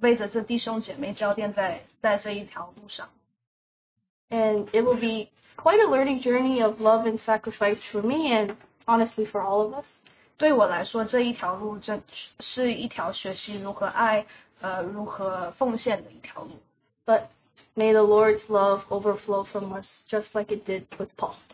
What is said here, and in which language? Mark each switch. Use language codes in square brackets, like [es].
[zh] 保罗有何等倾倒的爱为着这弟兄姐妹交奠在这一条路上。 [en] And it will be quite a learning journey of love and sacrifice for me and honestly for all of us. [zh] 对我来说这一条路是一条学习如何爱如何奉献的一条路。 [en] But may the Lord's love overflow from us just like it did with Paul.